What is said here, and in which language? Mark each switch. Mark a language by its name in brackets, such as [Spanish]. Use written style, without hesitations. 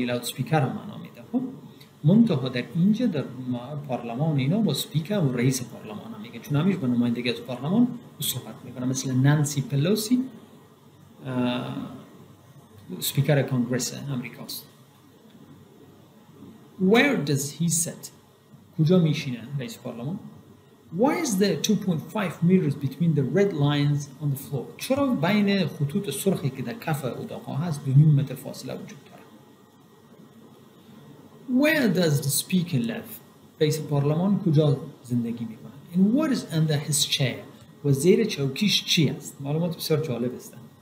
[Persian] speaker معنی میده. خب منتها در اینجا در پارلمان اینا با speaker و رئیس پارلمان میگه چون همیشه با نمایندگی از پارلمان صحبت میکنه مثل نانسی پلوسی سپیکر کنگرس امریکاست. [English] Where does he sit? [Persian] کجا میشینه رئیس پارلمان؟ [English] Why is there 2.5 meters between the red lines on the floor? [Persian] چرا بین خطوط سرخی که در کف اتاق هست 2 متر فاصله وجود داره؟ [English] Where does the speaker live? [Persian] رئیس پارلمان کجا زندگی میکنه؟ [English] And what is under his chair? [Persian] وزیر چوکیش چی است؟ معلومات بسیار جالب است.